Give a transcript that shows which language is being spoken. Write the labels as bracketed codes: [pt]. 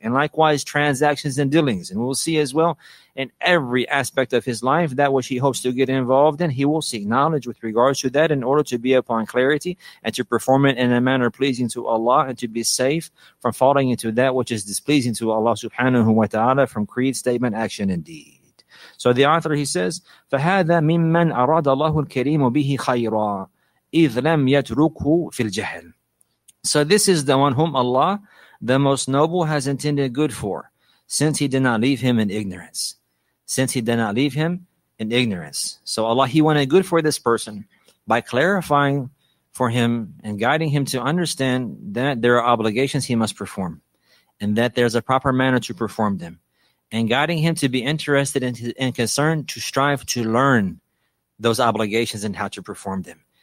[en] And likewise, transactions and dealings. And we'll see as well, in every aspect of his life, that which he hopes to get involved in, he will seek knowledge with regards to that in order to be upon clarity and to perform it in a manner pleasing to Allah, and to be safe from falling into that which is displeasing to Allah subhanahu wa ta'ala, from creed, statement, action, and deed. So the author, he says, [ar] فَهَذَا مِمَّنْ أَرَادَ اللَّهُ الْكَرِيمُ بِهِ خَيْرًا إِذْ لَمْ يَتْرُكُهُ فِي الْجَهْلِ. [en] So this is the one whom Allah, the Most Noble, has intended good for, since he did not leave him in ignorance. Since he did not leave him in ignorance. So Allah, he wanted good for this person by clarifying for him and guiding him to understand that there are obligations he must perform, and that there's a proper manner to perform them, and guiding him to be interested and concerned to strive to learn those obligations and how to perform them.